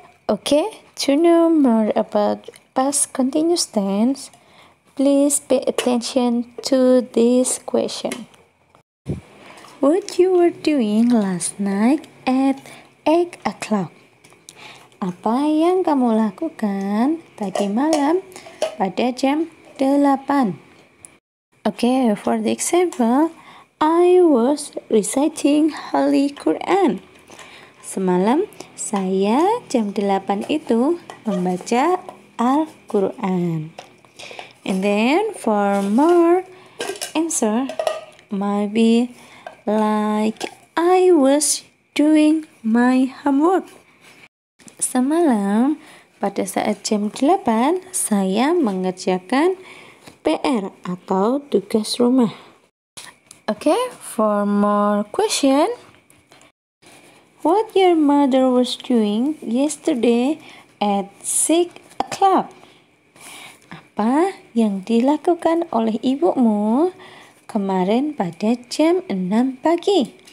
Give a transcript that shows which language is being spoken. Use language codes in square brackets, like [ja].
[en] Okay, to know more about past continuous tense, please pay attention to this question. What you were doing last night at 8 o'clock? [id] Apa yang kamu lakukan tadi malam pada jam 8? [en] Okay, for the example, I was reciting Holy Quran. [id] Semalam, saya jam 8 itu membaca Al-Quran. [en] And then, for more answer, maybe like I was doing my homework. [id] Semalam, pada saat jam 8, saya mengerjakan PR atau tugas rumah. [en] Okay, for more question. What your mother was doing yesterday at 6 o'clock? [id] Apa yang dilakukan oleh ibumu kemarin pada jam 6 pagi?